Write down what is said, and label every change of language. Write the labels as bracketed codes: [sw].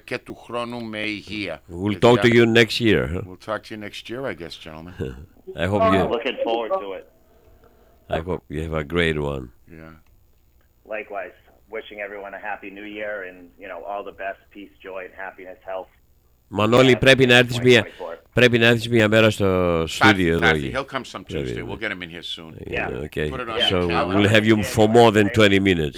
[el] Και του χρόνου με υγεία. [en] We'll talk to you next year. We'll talk to you next year, I guess, gentlemen. I hope you're looking forward to it. I hope you have a great one. Yeah. Likewise, wishing everyone a happy new year and, you know, all the best, peace, joy, and happiness, health. [el] Μανώλη, πρέπει να έρθεις μια μέρα στο στούδιο εδώ. [en] He'll come some Tuesday. We'll get him in here soon. Yeah. Okay. Put it on. So we'll have you for more than 20 minutes.